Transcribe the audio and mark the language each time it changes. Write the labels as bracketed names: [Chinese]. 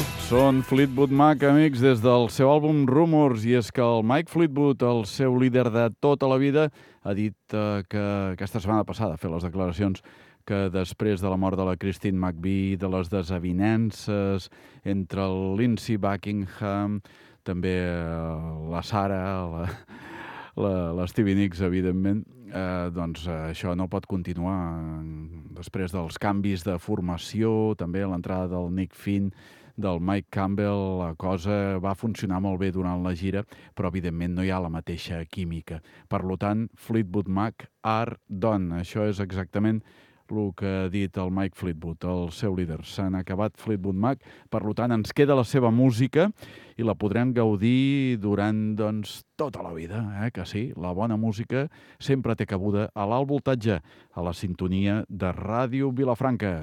[Catalan] Són Fleetwood Mac, amics, des del seu àlbum Rumors, i és que el Mike Fleetwood, el seu líder de tota la vida, ha dit que aquesta setmana passada, fer les declaracions, que després de la mort de la Christine McVie, de les desavinences entre el Lindsey Buckingham, també la Sara, l'Stevie Nicks, evidentment, doncs això no pot continuar. Després dels canvis de formació, també l'entrada del Nick Finn, del Mike Campbell, la cosa va funcionar molt bé durant la gira, però evidentment no hi ha la mateixa química. Per tant, Fleetwood Mac [English] are done. [Catalan] Això és exactament el que ha dit el Mike Fleetwood, el seu líder. S'han acabat Fleetwood Mac, per tant, ens queda la seva música i la podrem gaudir durant, doncs, tota la vida, eh? Que sí, la bona música sempre té cabuda a l'Alt Voltatge, a la sintonia de Ràdio Vilafranca.